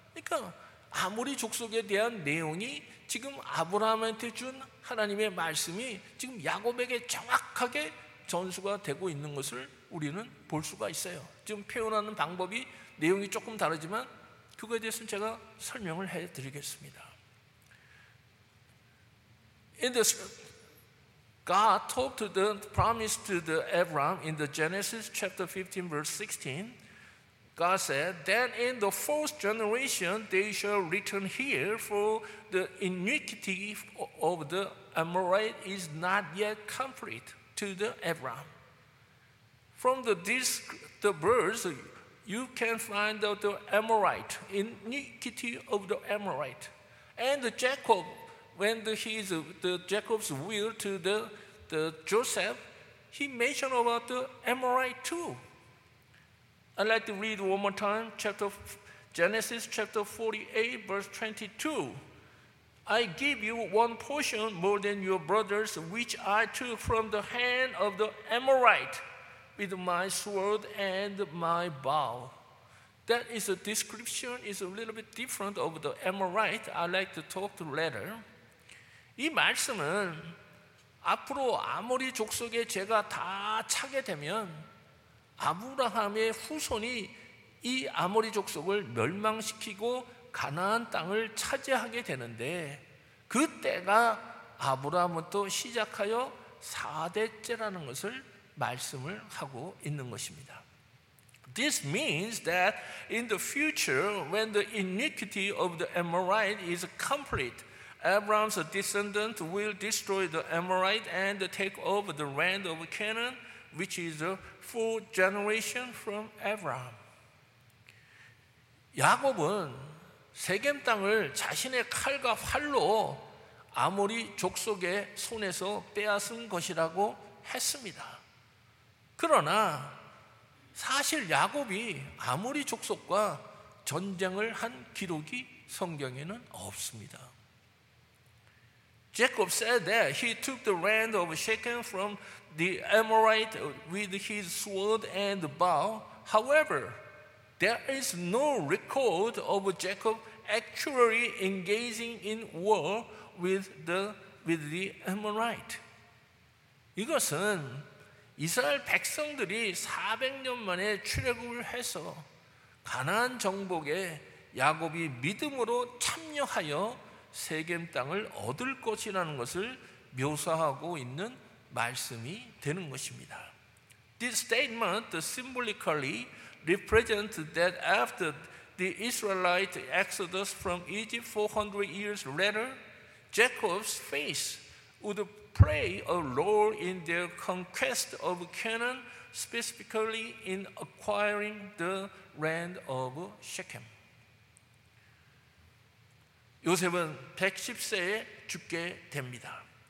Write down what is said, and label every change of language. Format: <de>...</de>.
<ko>그러니까 아모리 족속에 대한 내용이 지금 아브라함한테 준 하나님의 말씀이 지금 야곱에게 정확하게 전수가 되고 있는 것을 우리는 볼 수가 있어요. 지금 표현하는 방법이 내용이 조금 다르지만 그거에 대해서는 제가 설명을 해드리겠습니다.</ko> <en>In this, God talked to the promise to the Abraham in the Genesis chapter 15, verse 16. God said, "Then in the fourth generation they shall return here, for the iniquity of the Amorite is not yet complete to the Abraham. From the birds, you can find out the Amorite, iniquity of the Amorite, and Jacob, when the Jacob's will to the Joseph, he mentioned about the Amorite too." I'd like to read one more time, Genesis chapter 48, verse 22. I give you one portion more than your brothers, which I took from the hand of the Amorite with my sword and my bow. That is a description is a little bit different of the Amorite. I'd like to talk to later.</en> <ko>이 말씀은 앞으로 아모리 족속의 죄가 다 차게 되면 아브라함의 후손이 이 아모리 족속을 멸망시키고 가나안 땅을 차지하게 되는데 그 때가 아브라함부터 시작하여 4대째라는 것을 말씀을 하고 있는 것입니다.</ko> <en>This means that in the future, when the iniquity of the Amorite is complete, Abraham's descendant will destroy the Amorite and take over the land of Canaan, which is a four generation from Abraham.</en> <ko>야곱은 세겜 땅을 자신의 칼과 활로 아모리 족속의 손에서 빼앗은 것이라고 했습니다. 그러나 사실 야곱이 아모리 족속과 전쟁을 한 기록이 성경에는 없습니다.</ko> <en>Jacob said that he took the land of Shechem from the Amorite with his sword and bow. However, there is no record of Jacob actually engaging in war with the Amorite.</en> <ko>이것은 이스라엘 백성들이 400년 만에 출애굽을 해서 가나안 정복에 야곱이 믿음으로 참여하여 세겜 땅을 얻을 것이라는 것을 묘사하고 있는 말씀이 되는 것입니다.</ko> <en>This statement symbolically represents that after the Israelite exodus from Egypt 400 years later, Jacob's faith would play a role in their conquest of Canaan, specifically in acquiring the land of Shechem.</en> <ko>요셉은 110세에 죽게 됩니다.</ko>